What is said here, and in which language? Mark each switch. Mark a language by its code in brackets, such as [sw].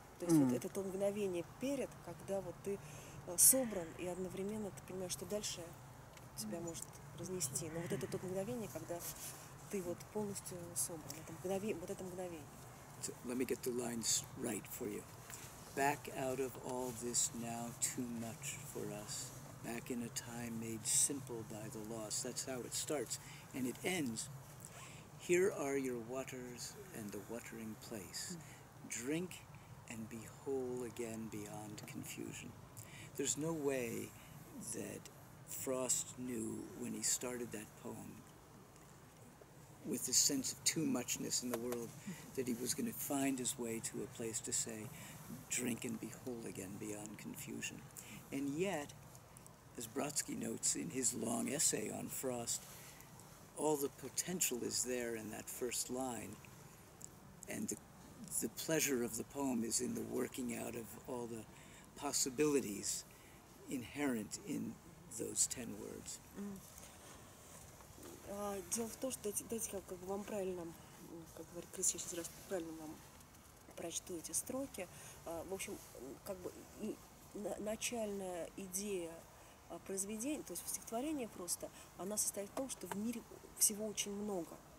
[ru] То есть вот это то мгновение перед, когда вот ты собран и одновременно ты понимаешь, что дальше тебя может разнести. Но вот это то мгновение, когда ты вот полностью собран. Это мгновение, вот это мгновение. [en] So, let me get the lines right for you. Back out of all this now too much for us. Back in a time made simple by the loss. That's how it starts. And it ends. Here are your waters and the watering place. Drink and be whole again beyond confusion. There's no way that Frost knew when he started that poem with this sense of too muchness in the world, that he was going to find his way to a place to say, drink and be whole again beyond confusion. And yet, as Brodsky notes in his long essay on Frost, all the potential is there in that first line, and the pleasure of the poem is in the working out of all the possibilities inherent in those 10 words. [ru] Дело в том, что дайте как бы вам правильно, как говорит Крис, я сейчас раз правильно вам прочту эти строки. В общем, как бы начальная идея произведения, то есть стихотворение просто, она состоит в том, что в мире всего очень много.